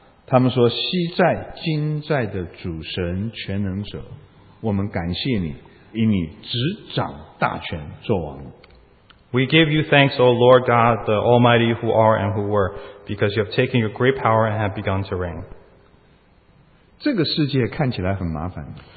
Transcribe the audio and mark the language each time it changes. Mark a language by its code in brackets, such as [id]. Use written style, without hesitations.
[zh] 他们说昔在今在的主神全能者，我们感谢你，因你执掌大权作王。 [en] We give you thanks, O Lord God, the Almighty who are and who were, because you have taken your great power and have begun to reign. [zh] 这个世界看起来很麻烦。